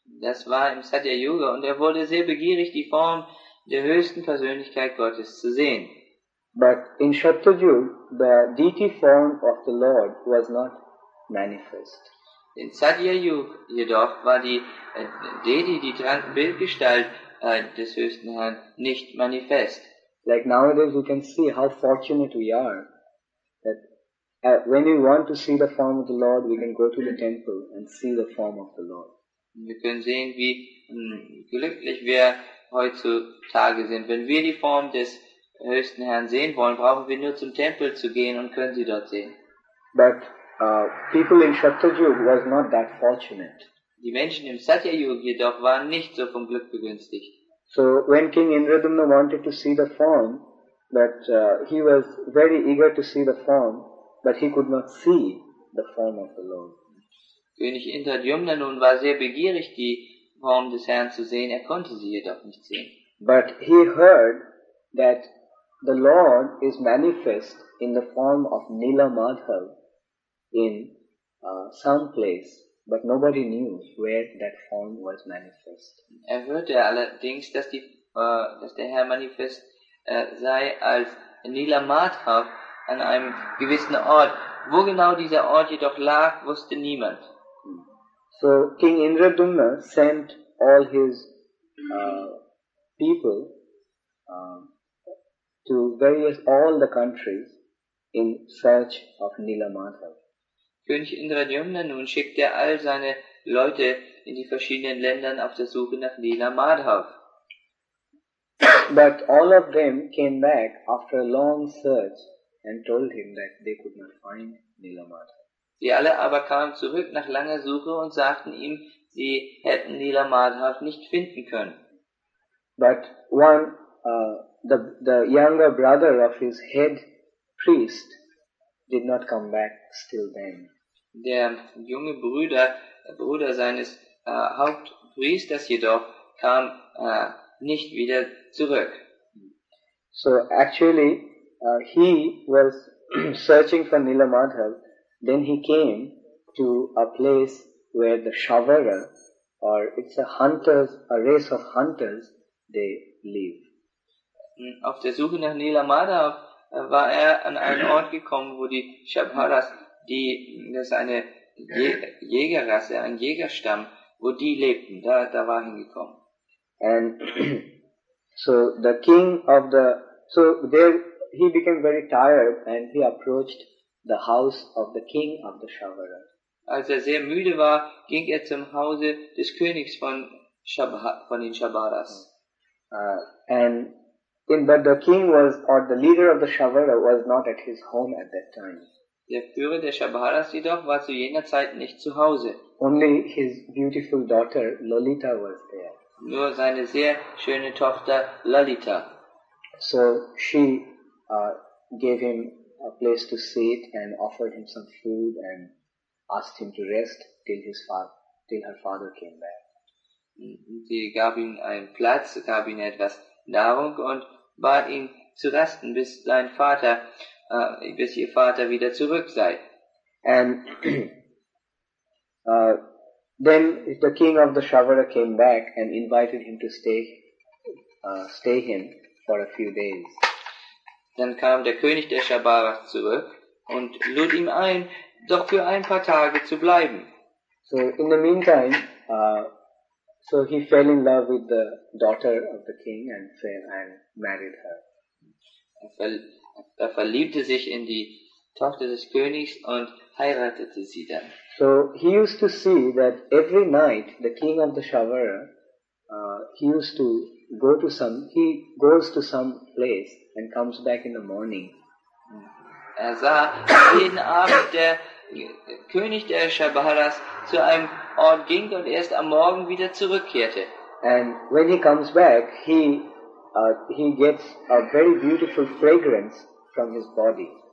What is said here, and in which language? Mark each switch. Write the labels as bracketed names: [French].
[German] Das war im Satya-Yuga und er wurde sehr begierig, die Form der höchsten Persönlichkeit Gottes zu sehen. [English] But in Shaktajug, the deity form of the Lord was not manifest. [German] In Satya-Yuga jedoch war die Deity, die Bildgestalt des höchsten Herrn, nicht manifest. [English] Like nowadays we can see how fortunate we are. That when we want to see the form of the Lord, we can go to the temple and see the form of the Lord. [German] Wir können sehen, wie glücklich wir heutzutage sind. Wenn wir die Form des höchsten Herrn sehen wollen, brauchen wir nur zum Tempel zu gehen und können sie dort sehen. [English] But people in Shaktajug was not that fortunate. [German] Die Menschen im Satya-Yug jedoch waren nicht so vom Glück begünstigt. [English] So when King Indradumna wanted to see the form, but he was very eager to see the form, but he could not see the form of the Lord. [German] König Indradumna nun war sehr begierig, die Form des Herrn zu sehen. Er konnte sie jedoch nicht sehen. [English] But he heard that the Lord is manifest in the form of Nila Madhav in some place, but nobody knew where that form was manifest. [German] Er hörte allerdings, dass der Herr manifest sei als Nila Madhav an einem gewissen Ort. Wo genau dieser Ort jedoch lag, wusste niemand. [English] So King Indradumna sent all his people to various all the countries in search of Nila Madhav. [German] König Indradumna nun schickte all seine Leute in die verschiedenen Ländern auf der Suche nach Nila Madhav. [English] But all of them came back after a long search and told him that they could not find Nila Madhav. [German] Sie alle aber kamen zurück nach langer Suche und sagten ihm, sie hätten Nila Madhav nicht finden können. [English] But one, the younger brother of his head priest did not come back still then. [German] Der junge Bruder seines Hauptpriesters jedoch kam nicht wieder zurück. [English] So actually, he was searching for Nila Madhav. Then he came to a place where the Shavara, or it's a race of hunters, they live. [German] Auf der Suche nach Nila Madhav war er an einen Ort gekommen, wo die Shavaras, das ist eine Jägerrasse, ein Jägerstamm, wo die lebten, da war er hingekommen. [English] And so the king of the, so there he became very tired and he approached the house of the king of the Shavara. [German] Als er sehr müde war, ging er zum Hause des Königs von den Shabaras. [English] And in that the king was, or the leader of the Shabara was not at his home at that time. [German] Der Führer der Shabaras jedoch war zu jener Zeit nicht zu Hause. [English] Only his beautiful daughter Lalita was there. [German] Nur seine sehr schöne Tochter Lalita. [English] So she gave him a place to sit and offered him some food and asked him to rest till his father, till her father came back. [German] Sie gab ihm einen Platz, gab ihm etwas Nahrung und bat ihn zu resten, bis sein Vater, bis ihr Vater wieder zurück sei. [English] And then the king of the Shavara came back and invited him to stay him for a few days. [German] Dann kam der König der Shabara zurück und lud ihm ein, doch für ein paar Tage zu bleiben. [English] So in the meantime, so he fell in love with the daughter of the king and married her. [German] Er verliebte sich in die Tochter des Königs und heiratete sie dann. [English] So he used to see that every night the king of the Shavara, he used to go to some, he goes to some place and comes back in the morning. [German] Er sah jeden Abend der König der Shabaras zu einem Ort ging und erst am Morgen wieder zurückkehrte. [English] And when he comes back, he gets a very beautiful fragrance from his body.